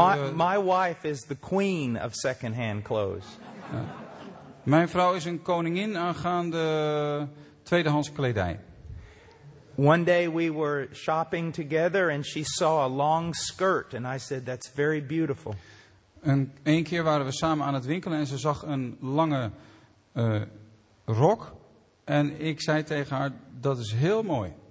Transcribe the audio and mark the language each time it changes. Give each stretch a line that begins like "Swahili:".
English: My wife is the queen of second-hand clothes.
Dutch: Mijn vrouw is een koningin aangaande tweedehands kledij.
English: One day we were shopping together and she saw a long skirt and I said, that's very beautiful.
Dutch: Een keer waren we samen aan het winkelen en ze zag een lange rok. En ik zei tegen haar, dat is heel mooi.